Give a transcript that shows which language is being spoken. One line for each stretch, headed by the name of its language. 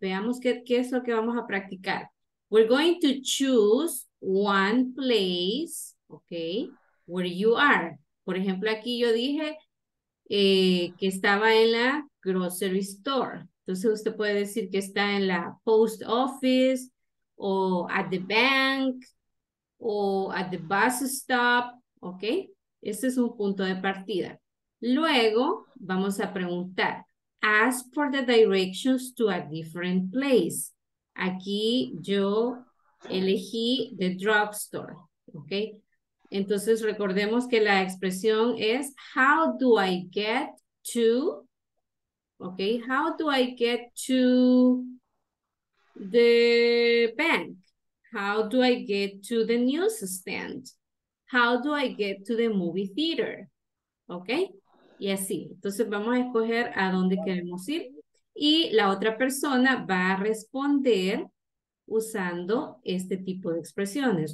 Spanish: Veamos qué es lo que vamos a practicar.
English: We're going to choose one place, okay, where you are.
Spanish: Por ejemplo, aquí yo dije que estaba en la grocery store. Entonces usted puede decir que está en la post office, o
English: at the bank,
Spanish: o
English: at the bus stop,
Spanish: ¿ok? Ese es un punto de partida. Luego vamos a preguntar,
English: ask for the directions to a different place.
Spanish: Aquí yo elegí the drugstore, ¿ok? Entonces recordemos que la expresión es,
English: how do I get to,
Spanish: ¿ok?
English: How do I get to the bank? How do I get to the newsstand? How do I get to the movie theater?
Spanish: ¿Ok? Y así. Entonces vamos a escoger a dónde queremos ir. Y la otra persona va a responder usando este tipo de expresiones.